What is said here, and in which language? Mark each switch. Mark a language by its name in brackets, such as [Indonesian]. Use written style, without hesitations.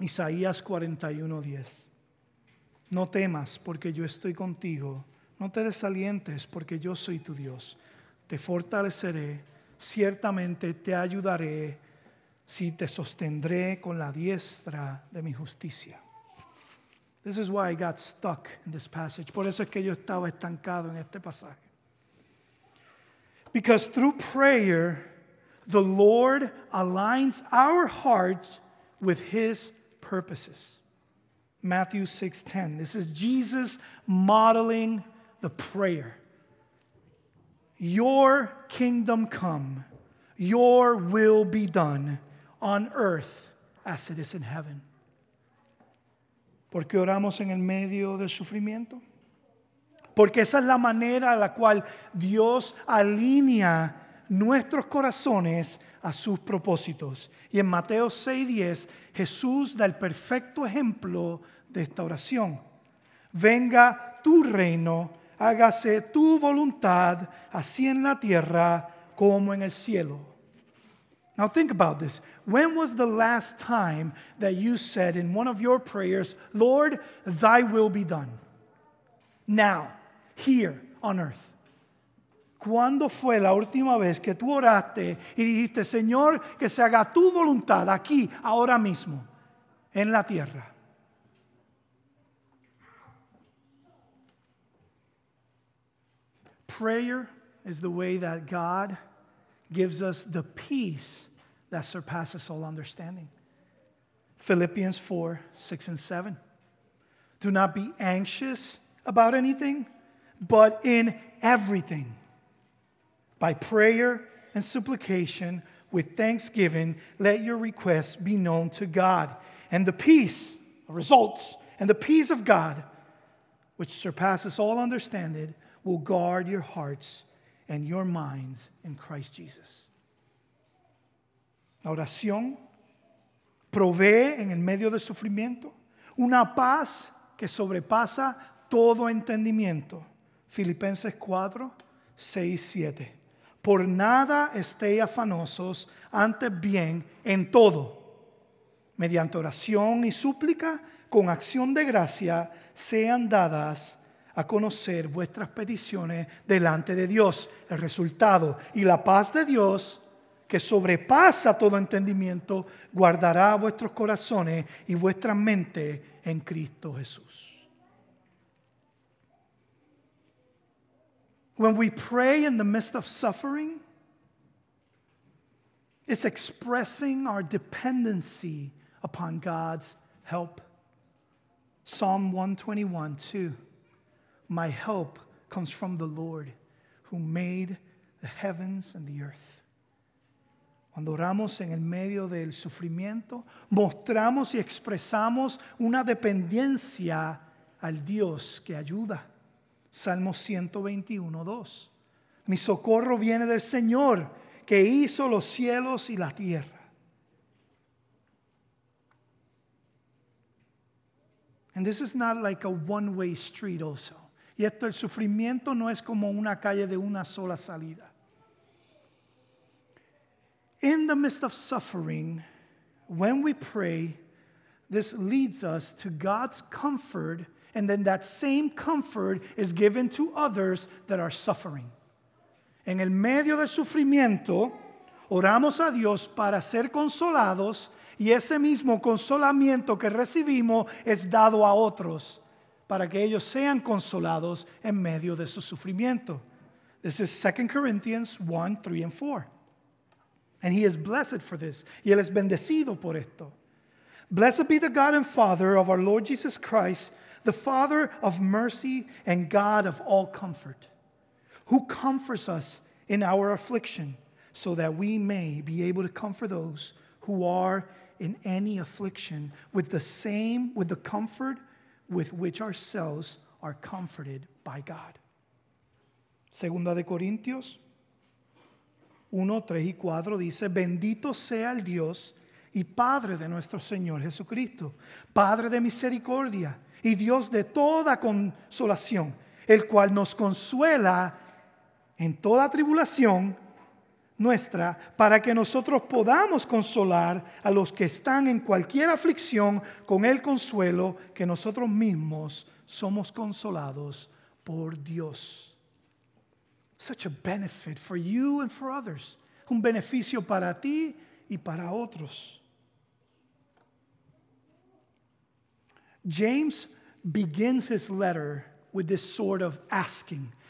[Spanish] Isaías 41:10. No temas, porque yo estoy contigo. No te desalientes, porque yo soy tu Dios. Te fortaleceré, ciertamente te ayudaré, si te sostendré con la diestra de mi justicia. [English] This is why I got stuck in this passage. [Spanish] Por eso es que yo estaba estancado en este pasaje. [English] Because through prayer, the Lord aligns our hearts with his purposes. Matthew 6:10. This is Jesus modeling the prayer. Your kingdom come, your will be done on earth as it is in heaven. [Spanish] ¿Por qué oramos en el medio del sufrimiento? Porque esa es la manera en la cual Dios alinea nuestros corazones a sus propósitos. Y en Mateo 6:10, Jesús da el perfecto ejemplo de esta oración. Venga tu reino, hágase tu voluntad, así en la tierra como en el cielo. [English] Now think about this. When was the last time that you said in one of your prayers, Lord, thy will be done? Now, here on earth. [Spanish] ¿Cuándo fue la última vez que tú oraste y dijiste, Señor, que se haga tu voluntad aquí, ahora mismo, en la tierra? [English] Prayer is the way that God gives us the peace that surpasses all understanding. Philippians 4:6-7. Do not be anxious about anything, but in everything, by prayer and supplication, with thanksgiving, let your requests be known to God. And the peace, the results, and the peace of God, which surpasses all understanding, will guard your hearts and your minds in Christ Jesus. [Spanish] La oración provee en el medio del sufrimiento una paz que sobrepasa todo entendimiento. Filipenses 4:6-7. Por nada estéis afanosos, antes bien en todo, mediante oración y súplica, con acción de gracia, sean dadas a conocer vuestras peticiones delante de Dios. El resultado y la paz de Dios, que sobrepasa todo entendimiento, guardará vuestros corazones y vuestras mentes en Cristo Jesús. [English] When we pray in the midst of suffering, it's expressing our dependency upon God's help. Psalm 121, 2. My help comes from the Lord who made the heavens and the earth. [Spanish] Cuando oramos en el medio del sufrimiento, mostramos y expresamos una dependencia al Dios que ayuda. Salmo 121, 2. Mi socorro viene del Señor que hizo los cielos y la tierra. [English] And this is not like a one-way street also. [Spanish] Y esto, el sufrimiento no es como una calle de una sola salida. [English] In the midst of suffering, when we pray, this leads us to God's comfort, and then that same comfort is given to others that are suffering. [Spanish] En el medio del sufrimiento, oramos a Dios para ser consolados, y ese mismo consolamiento que recibimos es dado a otros para que ellos sean consolados en medio de su sufrimiento. [English] This is 2 Corinthians 1, 3 and 4. And he is blessed for this. [Spanish] Y él es bendecido por esto. [English] Blessed be the God and Father of our Lord Jesus Christ, the Father of mercy and God of all comfort, who comforts us in our affliction so that we may be able to comfort those who are in any affliction with the comfort with which ourselves are comforted by God. [Spanish] Segunda de Corintios 1, 3 y 4 dice, bendito sea el Dios y Padre de nuestro Señor Jesucristo, Padre de misericordia y Dios de toda consolación, el cual nos consuela en toda tribulación nuestra, para que nosotros podamos consolar a los que están en cualquier aflicción con el consuelo que nosotros mismos somos consolados por Dios. [English] Such a benefit for you and for others. [Spanish] Un beneficio para ti y para otros. [English] James begins his letter with this sort of asking.